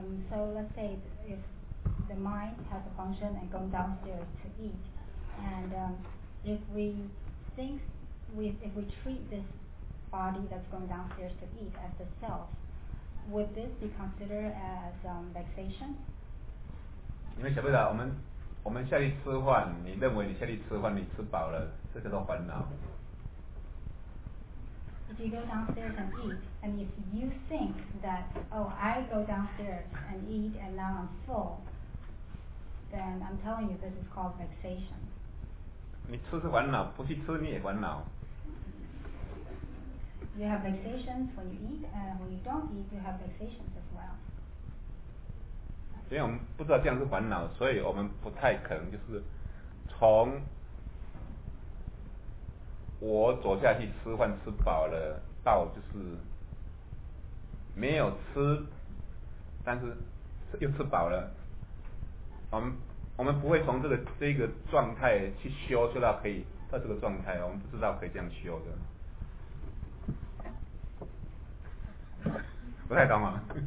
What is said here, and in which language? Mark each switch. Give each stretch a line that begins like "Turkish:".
English: So let's say if the mind has a function and going downstairs to eat, and if we treat this body that's going downstairs to eat as the self, would this be considered as vexation?
Chinese: 你们晓不晓得我们下去吃饭，你认为你下去吃饭你吃饱了，这叫做烦恼。
English: If you go downstairs and eat, and if you think that, oh, I go downstairs and eat and now I'm full, then I'm telling you this is called vexation.
Chinese: 你吃是烦恼，不去吃你也烦恼。
English: You have vexations when you eat, and when you don't eat, you have vexations as well.
Chinese: 因为我们不知道这样是烦恼，所以我们不太可能就是从我走下去吃饭吃饱了到就是没有吃，但是又吃饱了，我们不会从这个状态去修，修到可以到这个状态，我们不知道可以这样修的，不太懂啊。